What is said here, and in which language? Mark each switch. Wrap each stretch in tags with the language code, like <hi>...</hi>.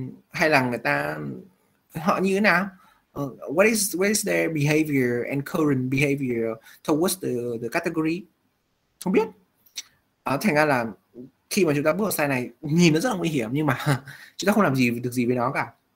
<vi>Hay là người ta, họ như thế nào?</vi> <en>What is their behavior and current behavior towards the category?</en> <vi>Không biết. Thành ra là khi mà chúng ta bước vào sai này, nhìn nó rất là nguy hiểm, nhưng mà chúng ta không làm gì được gì với nó cả.</vi>